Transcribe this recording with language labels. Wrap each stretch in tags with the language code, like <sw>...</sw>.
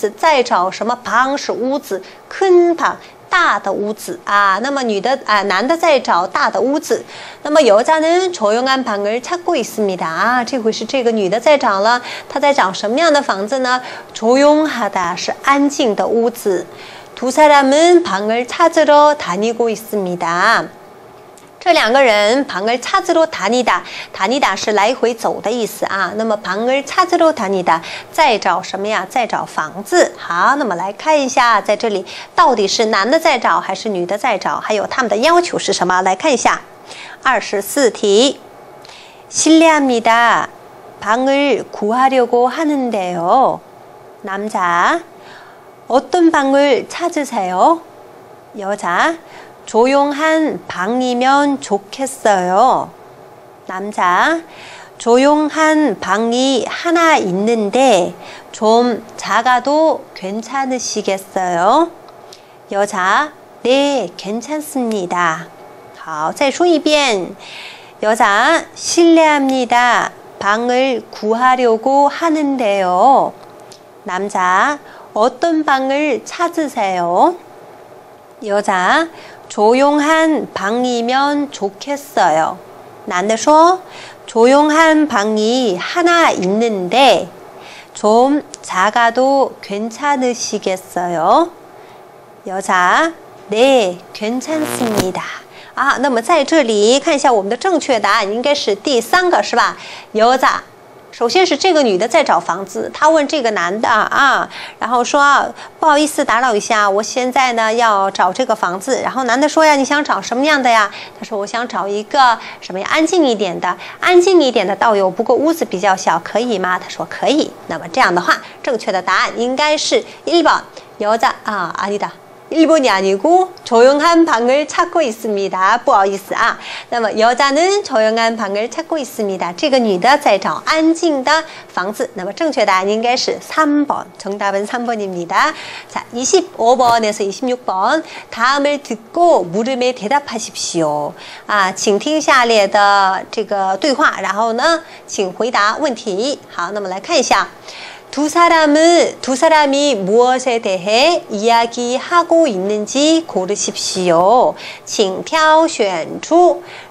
<zh>这个男的在찾다是找的意思，在找什么房是屋子，큰방。大的屋子啊，那么女的啊，男的在找大的屋子，那么</zh> <ko>여자는 조용한 방을 찾고 있습니다。</ko> <zh>啊，这回是这个女的在找了，她在找什么样的房子呢？ 조용하다是安静的屋子。</zh> <ko>두 사람은 방을 찾으러 다니고 있습니다.</ko> <zh>这两个人</zh> <ko>방을 찾으러 다니다,</ko> <zh>다니다是来回走的意思啊。那么방을 찾으러 다니다, 在找什么呀？在找房子。好，那么来看一下，在这里到底是男的在找还是女的在找？还有他们的要求是什么？来看一下， 24题， 실례합니다.</zh> <ko>방을 구하려고 하는데요. 남자, 어떤 방을 찾으세요? 여자, 조용한 방이면 좋겠어요. 남자, 조용한 방이 하나 있는데 좀 작아도 괜찮으시겠어요? 여자, 네, 괜찮습니다.</ko> <zh>好，再说一遍。</zh> <ko>여자, 실례합니다. 방을 구하려고 하는데요. 남자, 어떤 방을 찾으세요? 여자, 조용한 방이면 좋겠어요.</ko> <zh>男的说,</zh> <ko>조용한 방이 하나 있는데 좀 작아도 괜찮으시겠어요? 여자, 네, 괜찮습니다.</ko> <zh>아, 那么在这里看一下我们的正确答案，应该是第三个，是吧？ 여자, 首先是这个女的在找房子，她问这个男的啊，然后说，不好意思打扰一下，我现在呢要找这个房子。然后男的说呀，你想找什么样的呀？他说我想找一个什么呀，安静一点的，安静一点的倒有，不过屋子比较小，可以吗？他说可以。那么这样的话，正确的答案应该是1번， 여자</zh> <ko>아, 아니다. 1번이 아니고 조용한 방을 찾고 있습니다.</ko> <zh>不好意思啊。</zh> <ko>那么 여자는 조용한 방을 찾고 있습니다.</ko> <zh>这个女的在找安静的房子。那么正确答案应该是 3번，</zh> <ko>정답은 3번입니다. 자, 25번에서 26번， 다음을 듣고 물음에 대답하십시오.</ko> <zh>아, 请听下列的这个对话，然后呢请回答问题。好，那么来看一下，</zh> <ko>두 사람은 두 사람이 무엇에 대해 이야기하고 있는지 고르십시오.</ko> <zh>请挑选出</zh>